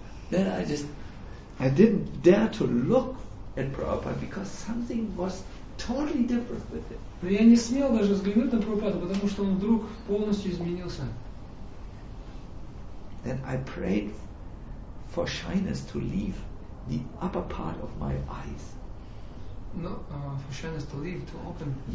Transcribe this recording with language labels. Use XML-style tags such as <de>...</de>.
<en>Then I didn't dare to look at Prabhupada because something was totally different with him.</en> <ru>Но я не смел даже взглянуть на Прабхупаду, потому что он вдруг полностью изменился.</ru> <en>Then I prayed for shyness to leave the upper part of my eyes. For shyness to leave, to open.</en>